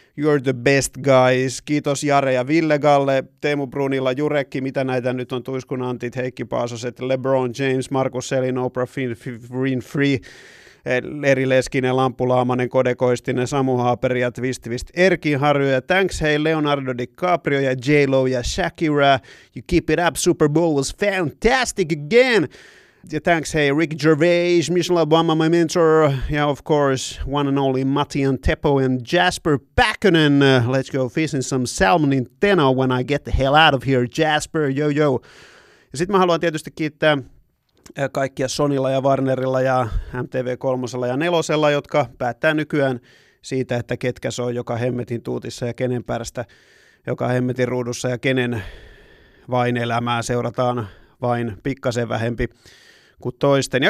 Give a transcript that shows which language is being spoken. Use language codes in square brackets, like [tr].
[en] You're the best guys. [fi] Kiitos Jare ja Ville Galle, Teemu Brunilla, Jurekki, mitä näitä nyt on, Tuiskun Antit, Heikki Paasoset, LeBron James, Markus Selin, Oprah Winfrey, Leri Leskinen, Lampu Laamanen, Kode Koistinen, Samu Haaperi ja Twist, Erki Harjo ja Thanks Hey, Leonardo DiCaprio ja J-Lo ja Shakira. [en] You keep it up, Super Bowl was fantastic again. Yeah, thanks, hey, Rick Gervais, Michelle Obama, my mentor. Yeah, of course, one and only Matti Antepo and Jasper Pakkanen. Let's go fishing some salmon in Teno when I get the hell out of here, Jasper. Yo, yo. [fi] Ja sitten mä haluan tietysti kiittää kaikkia Sonylla ja Warnerilla ja MTV3:lla ja 4:lla, jotka päättää nykyään siitä, että ketkä se on joka hemmetin tuutissa ja kenen päästä joka hemmetin ruudussa ja kenen vain elämää seurataan vain pikkasen vähempi kuin toisten.